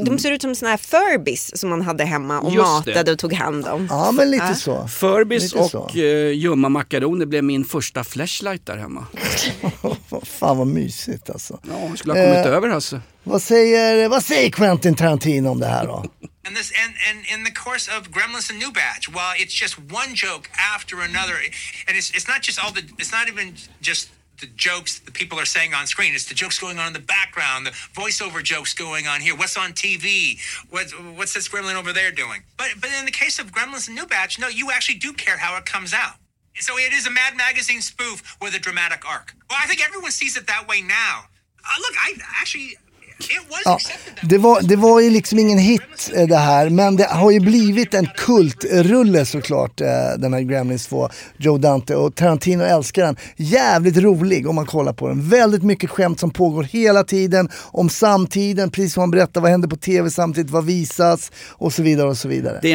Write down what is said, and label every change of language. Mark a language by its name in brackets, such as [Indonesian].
[Swedish] De ser ut som såna här Furbies som man hade hemma och matade och tog hand om. Ja, men lite så. Furbies och ljumma makaroner blev min första flashlight där hemma. Fan vad mysigt alltså. Ja, jag skulle ha kommit över alltså. Vad säger Quentin Tarantino om det här då? [English] And this, and in the course of Gremlins and New Batch, well, it's just one joke after another, and it's not even just the jokes the people are saying on screen. It's the jokes going on in the background, the voiceover jokes going on here. What's on TV? What's this gremlin over there doing? But in the case of Gremlins and New Batch, no, you actually do care how it comes out. So it is a Mad Magazine spoof with a dramatic arc. Well, I think everyone sees it that way now. Look, I actually... [Swedish] Ja, det var ju liksom ingen hit det här, men det har ju blivit en kultrulle såklart, den här Gremlins 2, Joe Dante, och Tarantino älskar den. Jävligt rolig om man kollar på den. Väldigt mycket skämt som pågår hela tiden om samtiden, precis som han berättar vad händer på TV samtidigt, vad visas och så vidare och så vidare.